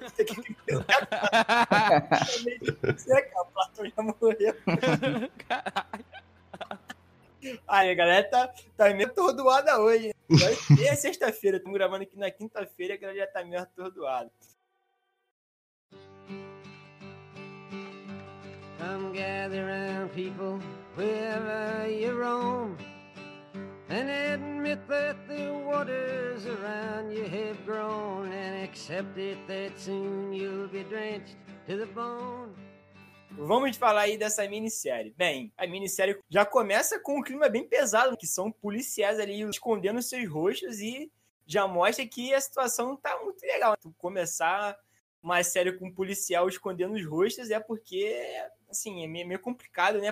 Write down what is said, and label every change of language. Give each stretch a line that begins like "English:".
Portuguese: Você quer que o Platão já morreu? Aí, galera, tá meio atordoada hoje. E é sexta-feira, estamos gravando aqui na quinta-feira, a galera já tá meio atordoada.
English: Come gather around, people, wherever you roam. And admit that the waters around you have grown, and accept it that soon you'll be drenched to the bone.
Portuguese: Vamos falar aí dessa minissérie. Bem, a minissérie já começa com um clima bem pesado, que são policiais ali escondendo seus rostos e já mostra que a situação tá muito legal. Tu começar uma série com um policial escondendo os rostos é porque, assim, é meio complicado, né?